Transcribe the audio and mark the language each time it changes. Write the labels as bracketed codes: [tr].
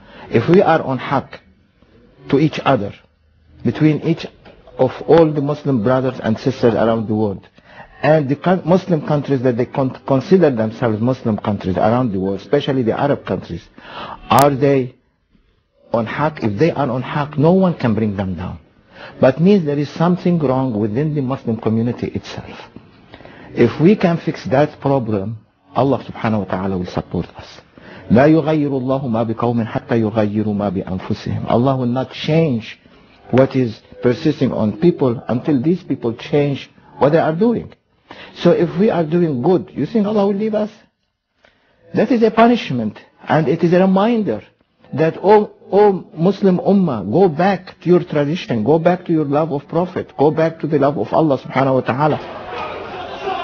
[en] If we are on haqq to each other, between each of all the Muslim brothers and sisters around the world, and the Muslim countries that they consider themselves Muslim countries around the world, especially the Arab countries, are they on haqq? If they are on haqq, no one can bring them down. But means there is something wrong within the Muslim community itself. If we can fix that problem, Allah subhanahu wa ta'ala will support us. [ar] لا يغير الله ما بقوم حتى يغيروا ما بأنفسهم. [en] Allah will not change what is persisting on people until these people change what they are doing. So if we are doing good, you think Allah will leave us? That is a punishment, and it is a reminder that all Muslim Ummah, go back to your tradition, go back to your love of Prophet, go back to the love of Allah subhanahu wa ta'ala.